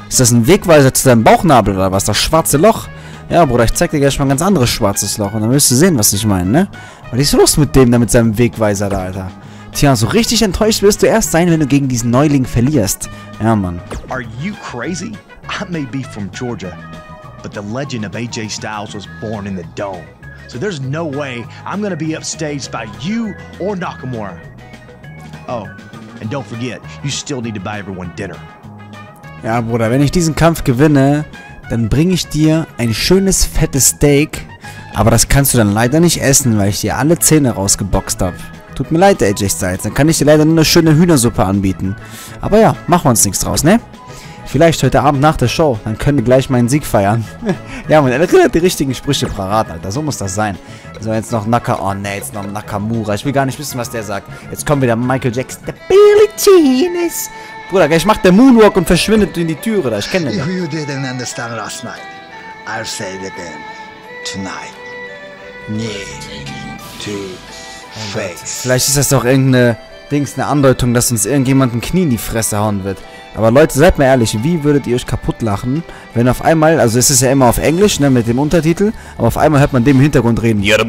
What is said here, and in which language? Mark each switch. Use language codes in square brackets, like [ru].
[de] Ist das ein Wegweiser zu deinem Bauchnabel oder was? Das schwarze Loch? Ja, Bruder, ich zeig dir gleich mal ein ganz anderes schwarzes Loch und dann wirst du sehen, was ich meine, ne? Was ist los mit dem da, mit seinem Wegweiser da, Alter? Tja, so richtig enttäuscht wirst du erst sein, wenn du gegen diesen Neuling verlierst. Ja, Mann. [en] Are you crazy? I may be from Georgia, but the legend of AJ Styles was born in the Dome. So there's no way I'm gonna be upstaged by you or Nakamura. Oh, and don't forget, you still need to buy everyone dinner. [de] Ja, Bruder, wenn ich diesen Kampf gewinne, dann bringe ich dir ein schönes, fettes Steak. Aber das kannst du dann leider nicht essen, weil ich dir alle Zähne rausgeboxt habe. Tut mir leid, AJ Styles. Dann kann ich dir leider nur eine schöne Hühnersuppe anbieten. Aber ja, machen wir uns nichts draus, ne? Vielleicht heute Abend nach der Show, dann können wir gleich meinen Sieg feiern. Ja, man erinnert die richtigen Sprüche parat, Alter. So muss das sein. So, jetzt noch Nakamura. Ich will gar nicht wissen, was der sagt. Jetzt kommt wieder Michael Jackson. Der Billy Jean ist. Bruder, gleich macht der Moonwalk und verschwindet in die Türe da. Ich kenne den. [en] If you didn't understand last night, I'll say it again. Tonight. Need to face. [de] Vielleicht ist das doch irgendeine Dings, eine Andeutung, dass uns irgendjemand ein Knie in die Fresse hauen wird. Aber Leute, seid mal ehrlich, wie würdet ihr euch kaputt lachen, wenn auf einmal, also es ist ja immer auf Englisch, ne, mit dem Untertitel, aber auf einmal hört man dem im Hintergrund reden.